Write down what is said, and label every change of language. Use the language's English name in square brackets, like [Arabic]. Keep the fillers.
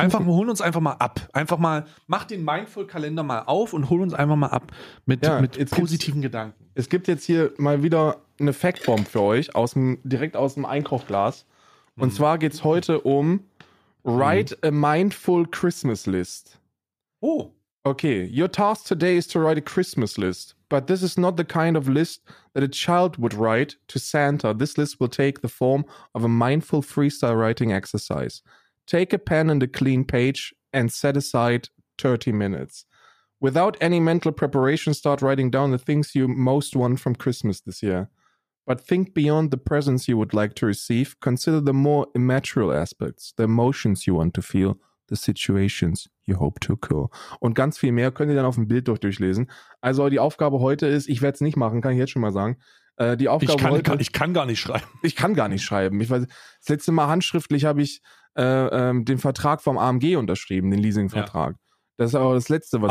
[German] Einfach, wir holen uns einfach mal ab. Einfach mal, mach den Mindful-Kalender mal auf und hol uns einfach mal ab mit, Ja, mit jetzt positiven Gedanken. Es gibt jetzt hier mal wieder eine Factbomb für euch, aus dem, direkt aus dem Einkochglas. Und zwar geht es heute um [English] Write a Mindful Christmas List. Oh. Okay, your task today is to write a Christmas list, but this is not the kind of list that a child would write to Santa. This list will take the form of a mindful freestyle writing exercise. Take a pen and a clean page and set aside 30 minutes. Without any mental preparation, start writing down the things you most want from Christmas this year. But think beyond the presents you would like to receive. Consider the more immaterial aspects, the emotions you want to feel, the situations you hope to occur. [German] Und ganz viel mehr könnt ihr dann auf dem Bild durch durchlesen. Also die Aufgabe heute ist, ich werde es nicht machen, kann ich jetzt schon mal sagen. Äh, die Aufgabe Ich kann, heute, kann, ich kann gar nicht schreiben. ich kann gar nicht schreiben. Ich weiß, das letzte Mal handschriftlich habe ich äh, ähm, den Vertrag vom AMG unterschrieben, den Leasingvertrag. Das ist aber das letzte, was